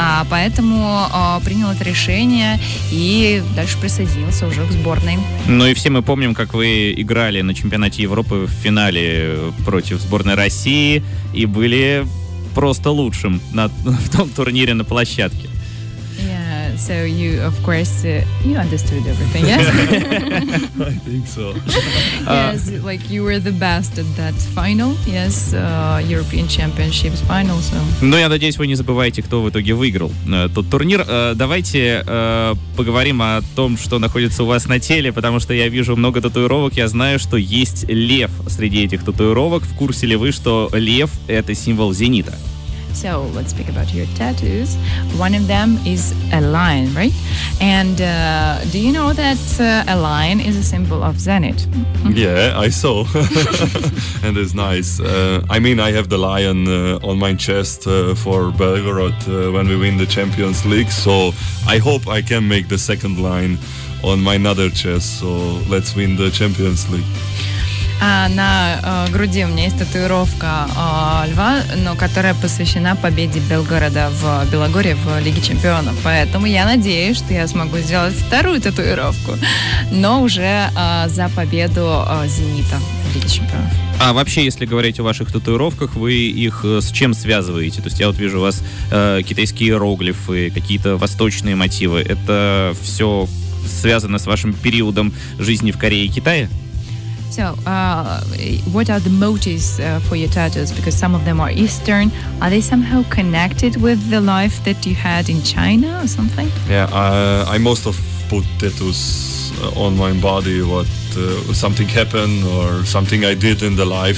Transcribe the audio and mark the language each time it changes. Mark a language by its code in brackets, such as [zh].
[ru] Поэтому принял это решение и дальше присоединился уже к сборной. Ну и все мы помним, как вы играли на чемпионате Европы в финале против сборной России и были просто лучшим в том турнире на площадке. [en] So you, of course, you understood everything, yes? I think so. Yes, like you were the best at that final, yes, European Championships final, so... [ru] Ну, я надеюсь, вы не забываете, кто в итоге выиграл тот турнир. Давайте поговорим о том, что находится у вас на теле, потому что я вижу много татуировок. Я знаю, что есть лев среди этих татуировок. В курсе ли вы, что лев — это символ «Зенита»? [en] So let's speak about your tattoos. One of them is a lion, right? And do you know that a lion is a symbol of Zenit? Yeah, I saw. And it's nice. I mean, I have the lion on my chest for Belgorod when we win the Champions League. So I hope I can make the second line on my another chest. So let's win the Champions League. [ru] На груди у меня есть татуировка льва, но которая посвящена победе Белгорода в Белогорье в Лиге Чемпионов. Поэтому я надеюсь, что я смогу сделать вторую татуировку, но уже за победу Зенита в Лиге Чемпионов. А вообще, если говорить о ваших татуировках, вы их с чем связываете? То есть я вот вижу у вас китайские иероглифы, какие-то восточные мотивы. Это все связано с вашим периодом жизни в Корее и Китае? [en] So, what are the motives for your tattoos? Because some of them are Eastern. Are they somehow connected with the life that you had in China or something? Yeah, I most of put tattoos on my body what something happened or something I did in the life.